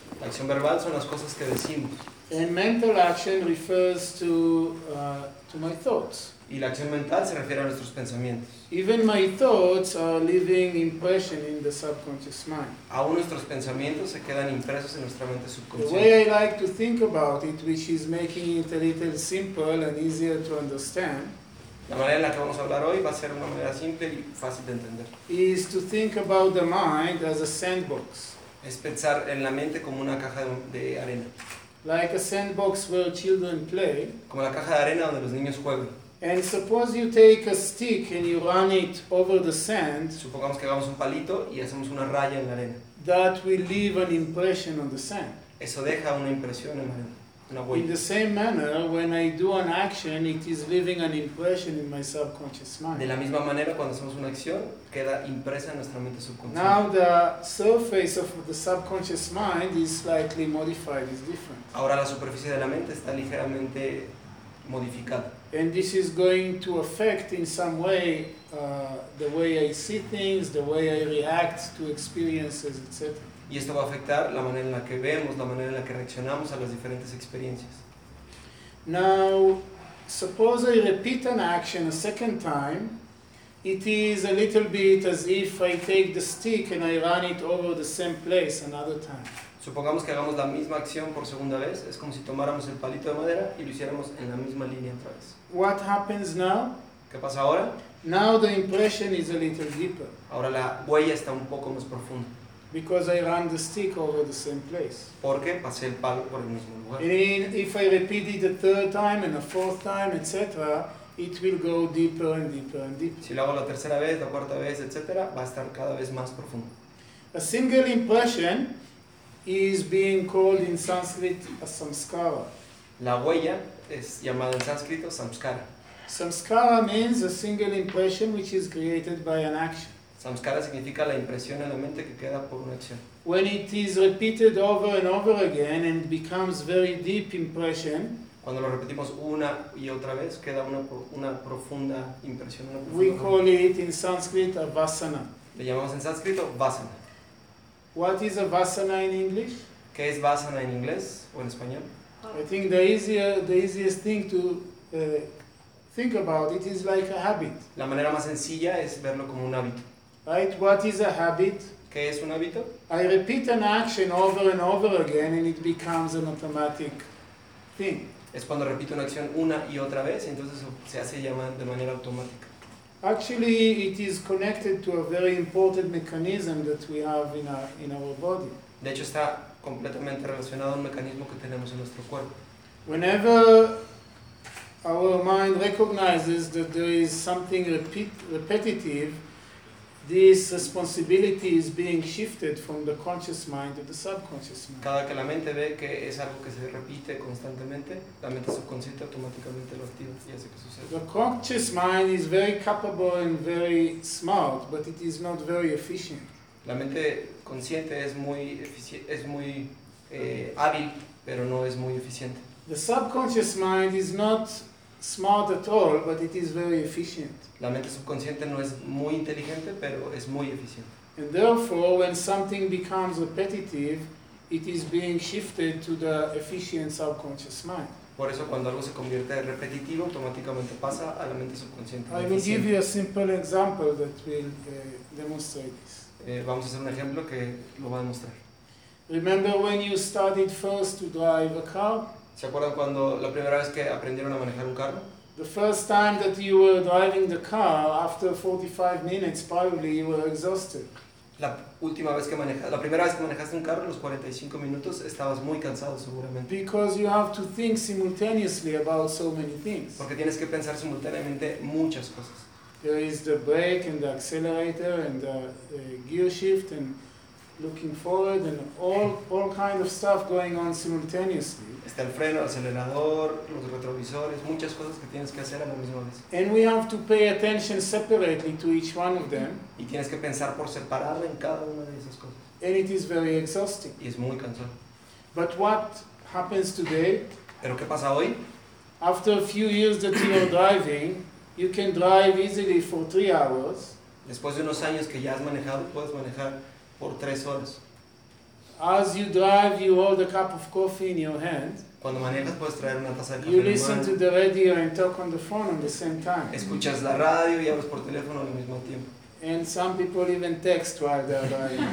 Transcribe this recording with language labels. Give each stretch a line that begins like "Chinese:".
Spanish: La acción verbal son las cosas que decimos.
English: And mental action refers to my thoughts.
Spanish: Y la acción mental se refiere a nuestros pensamientos.
English: Even my thoughts are leaving impression in the subconscious mind.
Spanish: Aún nuestros pensamientos se quedan impresos en nuestra mente subconsciente.
English: The way I like to think about it, which is making it a little simple and easier to understand.
Spanish: La manera en la que vamos a hablar hoy va a ser una manera simple y fácil de entender.
English: Is to think about the mind as a sandbox.
Spanish: Es pensar en la mente como una caja de arena.
English: Like a sandbox where children play.
Spanish: Como la caja de arena donde los niños juegan.
English: And suppose you take a stick and you run it over the sand.
Spanish: Supongamos que hagamos un palito y hacemos una raya en la arena.
English: That will leave an impression on the sand.
Spanish: Eso deja una impresión en la arena.
English: In the same manner, when I do an action, it is leaving an impression in my subconscious mind.
Spanish: De la misma manera, cuando hacemos una acción, queda impresa en nuestra mente subconsciente.
English: Now the surface of the subconscious mind is slightly modified, is different.
Spanish: Ahora la superficie de la mente está ligeramente modificada.
English: And this is going to affect in some way the way I see things, the way I react to experiences, etc.
Spanish: Y esto va a afectar la manera en la que vemos, la manera en la que reaccionamos a las diferentes experiencias.
English: Now, suppose I repeat an action a second time, it is a little bit as if I take the stick and I run it over the same place another time.
Spanish: Supongamos que hagamos la misma acción por segunda vez, es como si tomáramos el palito de madera y lo hiciéramos en la misma línea otra vez.
English: What happens now?
Spanish: ¿Qué pasa ahora?
English: Now the impression is a little deeper.
Spanish: Ahora la huella está un poco más profunda.
English: Because I run the stick over the same place.
Spanish: Porque pasé el palo por el mismo lugar.
English: And if I repeat it a third time and a fourth time, etc., it will go deeper and deeper and deeper.
Spanish: Si lo hago la tercera vez, la cuarta vez, etc., va a estar cada vez más profundo.
English: A single impression is being called in Sanskrit a samskara.
Spanish: La huella es llamada en sánscrito samskara.
English: Samskara means a single impression which is created by an action.
Spanish: Samskara significa la impresión en la mente que queda por una acción.
English: When it is repeated over and over again and becomes very deep impression,
Spanish: cuando lo repetimos una y otra vez, queda una profunda impresión. Una profunda
English: we forma. Call it in Sanskrit a vasana.
Spanish: Le llamamos en sánscrito vasana.
English: What is a vasana in English?
Spanish: ¿Qué es vasana en inglés o en español?
English: I think the easiest thing to think about it is like a habit.
Spanish: La manera más sencilla es verlo como un hábito.
English: Right, what is a habit?
Spanish: ¿Qué es un hábito?
English: I repeat an action over and over again and it becomes an automatic thing.
Spanish: Es cuando repito una acción una y otra vez y entonces se hace llamar de manera automática.
English: Actually, it is connected to a very important mechanism that we have in our body.
Spanish: De hecho, está completamente relacionado a un mecanismo que tenemos en nuestro cuerpo.
English: Whenever our mind recognizes that there is something repetitive, this responsibility is being shifted from the conscious mind to the subconscious mind.
Spanish: Cada que la mente ve que es algo que se repite constantemente, la mente subconsciente automáticamente lo activa y hace que suceda.
English: The conscious mind is very capable and very smart, but it is not very efficient.
Spanish: La mente consciente es muy hábil, pero no es muy eficiente.
English: The subconscious mind is not smart at all, but it is very efficient.
Spanish: La mente subconsciente no es muy inteligente, pero es muy eficiente.
English: And therefore, when something becomes repetitive, it is being shifted to the efficient subconscious mind.
Spanish: Por eso, cuando algo se convierte en repetitivo, automáticamente pasa a la mente subconsciente.
English: I will give you a simple example that will demonstrate this.
Spanish: Vamos a hacer un ejemplo que lo va a demostrar.
English: Remember when you started first to drive a car?
Spanish: ¿Se acuerdan cuando la primera vez que aprendieron a manejar un carro?
English: The first time that you were driving the car, after 45 minutes, probably you were exhausted.
Spanish: La primera vez que manejaste un carro, los 45 minutos, estabas muy cansado, seguramente.
English: Because you have to think simultaneously about so many things.
Spanish: Porque tienes que pensar simultáneamente muchas cosas.
English: There is the brake and the accelerator and the gear shift and looking forward and all kind of stuff going on simultaneously.
Spanish: Está el freno, el acelerador, los retrovisores, muchas cosas que tienes que hacer a la misma vez.
English: And we have to pay attention separately to each one of them.
Spanish: Y tienes que pensar por separado en cada una de esas cosas.
English: And it is very exhausting.
Spanish: Y es muy cansado.
English: But what happens today?
Spanish: ¿Pero qué pasa hoy?
English: After a few years that you are driving, you can drive easily for 3 hours.
Spanish: Después de unos años que ya has manejado, puedes manejar por 3 horas.
English: As you drive, you hold a cup of coffee in your hand.
Spanish: Cuando manejas, puedes traer una taza de café.
English: You listen to the radio and talk on the phone at the same time.
Spanish: Escuchas la radio y hablas por teléfono al mismo tiempo.
English: And some people even text while they're driving.